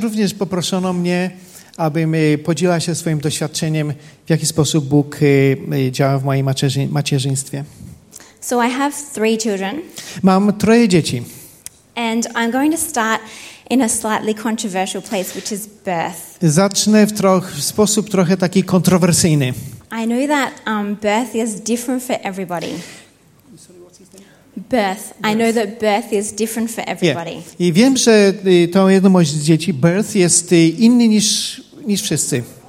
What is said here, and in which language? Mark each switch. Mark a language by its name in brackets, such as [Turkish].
[Polish] Również poproszono mnie, abym podzieliła się swoim doświadczeniem, w jaki sposób Bóg działa w moim macierzyństwie. [English] So I have three children. [Polish] Mam troje dzieci. [English] And I'm going to start in a slightly controversial place, which is birth. [Polish] Zacznę w sposób trochę taki kontrowersyjny. [English] I know that birth is different for everybody. Birth. I know that birth is different for everybody. [Polish] Yeah. I wiem, że tą jedną moją dzieci, birth, jest inny niż wszyscy.